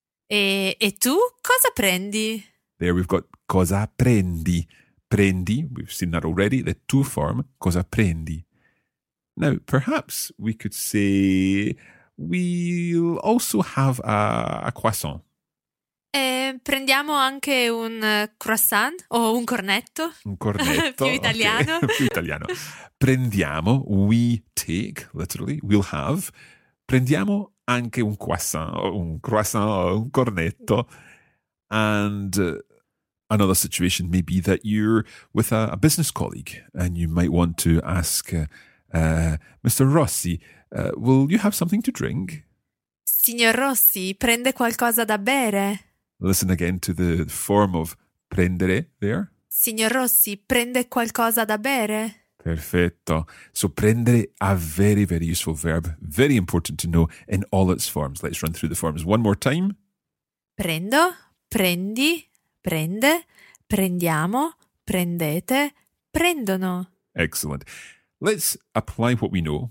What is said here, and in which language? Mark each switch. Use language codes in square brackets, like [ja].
[it] E tu cosa prendi? [en] There we've got [it] cosa prendi. [en] Prendi, we've seen that already, the tu form, cosa prendi. Now, perhaps we could say, we'll also have a croissant. [it] Prendiamo anche un croissant o un cornetto. Un cornetto. Più italiano. Più italiano. Prendiamo, [en] we take, literally, we'll have. [it] Prendiamo anche un croissant, un cornetto. [en] And another situation may be that you're with a business colleague and you might want to ask, Mr. Rossi, will you have something to drink? [it] Signor Rossi, prende qualcosa da bere? [en] Listen again to the form of prendere there. [it] Signor Rossi, prende qualcosa da bere? [en] Perfetto. So prendere, a very, very useful verb. Very important to know in all its forms. Let's run through the forms one more time. [it] Prendo, prendi, prende, prendiamo, prendete, prendono. [en] Excellent. Let's apply what we know.